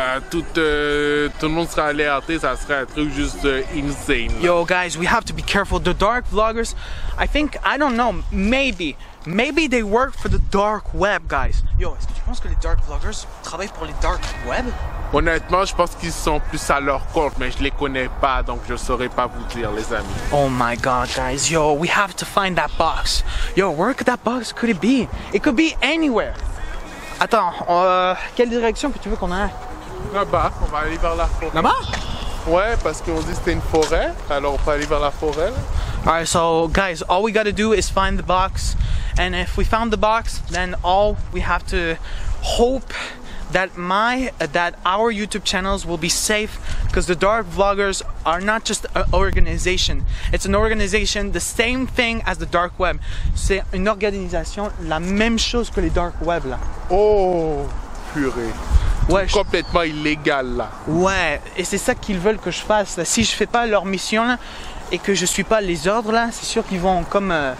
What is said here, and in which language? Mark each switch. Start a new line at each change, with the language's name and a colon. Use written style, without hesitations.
French: Tout le monde serait alerté, ça serait un truc juste insane.
English: Yo guys, we have to be careful. The dark vloggers, maybe they work for the dark web, guys.
French: Yo, est-ce que tu penses que les dark vloggers travaillent pour les dark web? Honnêtement, je pense qu'ils sont plus à leur compte, mais je les connais pas, donc je saurais pas vous dire, les amis.
English: Oh my god, guys, yo, we have to find that box. Yo, where could that box could it be? It could be anywhere.
French: Attends, quelle direction que tu veux qu'on aille? Là-bas, on va aller vers la forêt. Là-bas? Ouais, parce qu'on dit que c'était une forêt, alors on peut aller vers la forêt.
English: Alright, so guys, all we gotta do is find the box. And if we found the box, then all we have to hope that our YouTube channels will be safe, because the dark vloggers are not just an organization. It's an organization, the same thing as the dark web.
French: C'est une organisation, la même chose que les dark web là. Oh, purée. Ouais, complètement illégal là. Ouais, et c'est ça qu'ils veulent que je fasse là. Si je fais pas leur mission là, et que je suis pas les ordres là, c'est sûr qu'ils vont comme...